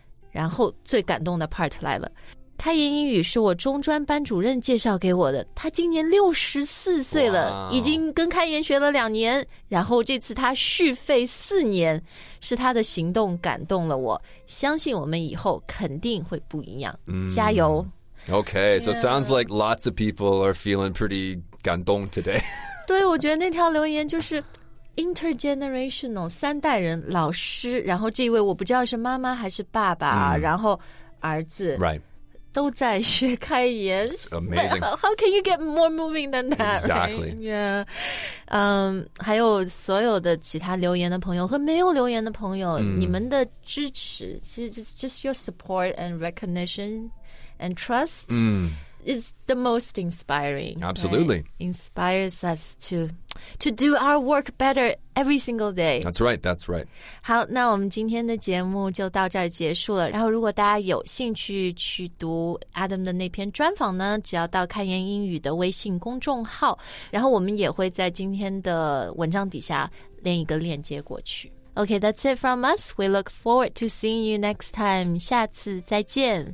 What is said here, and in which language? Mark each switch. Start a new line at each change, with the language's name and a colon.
Chinese: 然后最感动的 part 来了，开言英语是我中专班主任介绍给我的，他今年64岁了、wow. 已经跟开言学了2年，然后这次他续费4年，是他的行动感动了我，相信我们以后肯定会不一样、mm. 加油。
English: Okay, so、yeah. sounds like lots of people are feeling pretty 感动 today.
Chinese: 对，我觉得那条留言就是intergenerational 三代人，老师，然后这一位我不知道是妈妈还是爸爸、mm. 然后儿子
English: Right.
Chinese: 都在学开言
English: Amazing. How can you get more moving than that? Exactly.、 Right? Yeah.
Chinese: 还有所有的其他留言的朋友和没有留言的朋友、mm. 你们的支持
English: just your support and recognition and trust、mm. is the most inspiring. Absolutely.、 Right? Inspires us to do our work better every single day. That's right, that's right.
Chinese: 好，那我们今天的节目就到这儿结束了。然后如果大家有兴趣去读 Adam 的那篇专访呢，只要到开言英语的微信公众号，然后我们也会在今天的文章底下连一个链接过去。
English: Okay, that's it from us. We look forward to seeing you next time.
Chinese: 下次再见。